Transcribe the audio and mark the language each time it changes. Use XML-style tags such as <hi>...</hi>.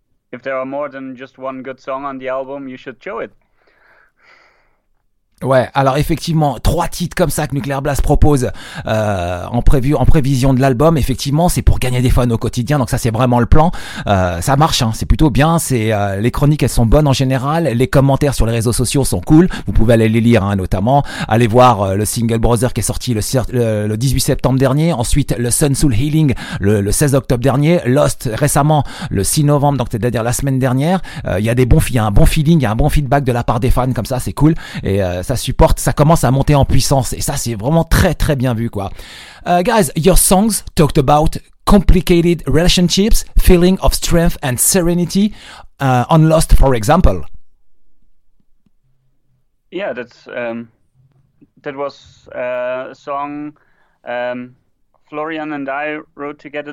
<en>If there are more than just one good song on the album, you should show it.</en> <fr>Ouais, alors effectivement, trois titres comme ça que Nuclear Blast propose en prévision de l'album, effectivement, c'est pour gagner des fans au quotidien, donc ça c'est vraiment le plan. Ça marche, hein, c'est plutôt bien, les chroniques elles sont bonnes en général, les commentaires sur les réseaux sociaux sont cool, vous pouvez aller les lire, hein, notamment, aller voir le single Brother qui est sorti le 18 septembre dernier, ensuite le Sun Soul Healing le 16 octobre dernier, Lost récemment le 6 novembre, donc c'est-à-dire la semaine dernière. Il y a des bons, il y a un bon feeling, il y a un bon feedback de la part des fans, comme ça c'est cool, ça supporte, ça commence à monter en puissance, et ça c'est vraiment très très bien vu, quoi.</fr> <en>Guys, your songs talked about complicated relationships, feeling of strength and serenity, on Lost, for example. Yeah, that was a song Florian and I wrote together.</en>